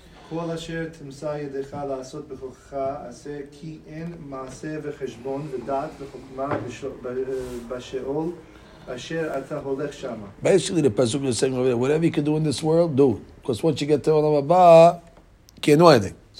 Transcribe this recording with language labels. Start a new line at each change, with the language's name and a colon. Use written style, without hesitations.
Hebrew: כל אשר תמצא ידך לעשות בכוחך, עשה כי אין מעשה וחשבון ודעת וחוכמה בשאול אשר אתה הולך שם.
English: Basically, the pasuk is saying over there, whatever you can do in this world, do. Because once you get to Olam Haba,
Hebrew: כי אינו עדיין.